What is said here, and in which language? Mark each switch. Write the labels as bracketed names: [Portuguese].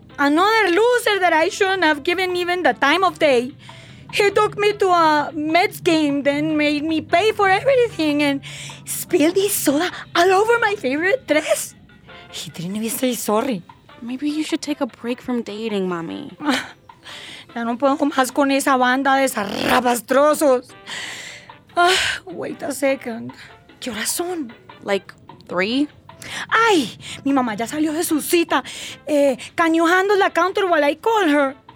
[English] Another loser that I shouldn't have given even the time of day. He took me to a Mets game, then made me pay for everything and spilled his soda all over my favorite dress. He didn't even say sorry. Maybe you should take a break from dating, mommy. [Spanish] Ya no puedo más con esa banda de zarrapastrosos. [English] Wait a second. [Spanish] ¿Qué horas son? [English] Like 3? [Spanish] Ay, mi mamá ya salió de su cita. [English] Can you handle the counter while I call her?